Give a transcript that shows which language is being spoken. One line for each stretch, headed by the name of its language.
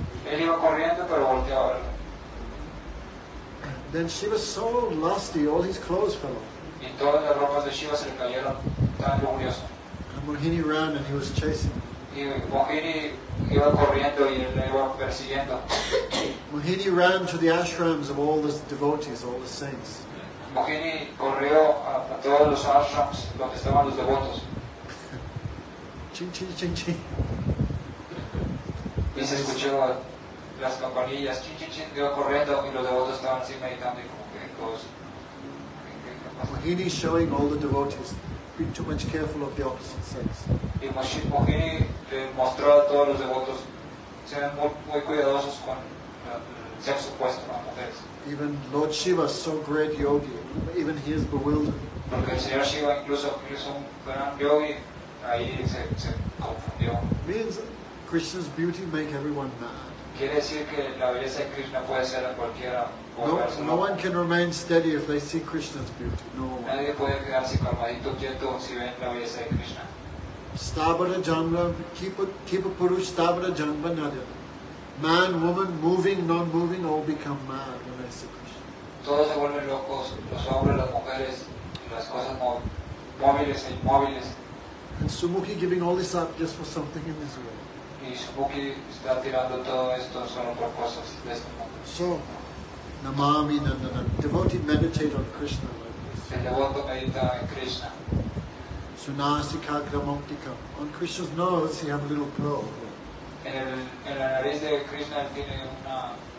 Spanish: Él iba corriendo, pero volteaba a verlo.
English: Then Shiva was so lusty, all his clothes fell off.
Spanish: Y todas las ropas de Shiva se le cayeron, tan lujurioso.
English: And Mohini ran and he was chasing.
Spanish: Y Mohini iba corriendo y le iba persiguiendo.
English: Mohini ran to the ashrams of all the devotees, all the saints.
Spanish: Mohini corrió a todos los ashrams donde estaban los devotos. Ching ching ching ching. Y se escuchó las campanillas, chin chin chin, iba corriendo y los devotos estaban así meditando y como que cosas.
English: Mohini showing all the devotees be too much careful of the opposite sex.
Spanish: Y Mohini le mostró a todos los devotos sean muy cuidadosos con el sexo opuesto, las mujeres.
English: Even Lord Shiva, so great yogi, even he is bewildered.
Spanish: Porque el señor Shiva incluso un gran yogi ahí se confundió.
English: Means Krishna's beauty make everyone mad.
Spanish: Quiere decir que la belleza de Krishna puede ser a cualquiera.
English: No one can remain steady if they see Krishna's beauty. No one.
Spanish: Nadie puede quedarse calmadito quieto si ven la belleza de Krishna.
Sanskrit: Stabara janma, keep a purush stabara janma nadya.
English: Man, woman, moving, non-moving, all become mad when they see Krishna.
Spanish: Todos se vuelven locos, los hombres, las mujeres, las cosas móviles e inmóviles.
English: And Sumukhi giving all this up just for something in this world.
Spanish: Y Subuki está tirando todo esto solo por cosas de este mundo.
Sanskrit: So, namami nandana.
English: Devotee meditate on Krishna like this.
Spanish: El devoto medita en Krishna.
Sanskrit: Sunasika gramantika.
English: On Krishna's nose he has a little pearl.
Spanish: En la nariz de Krishna tiene una.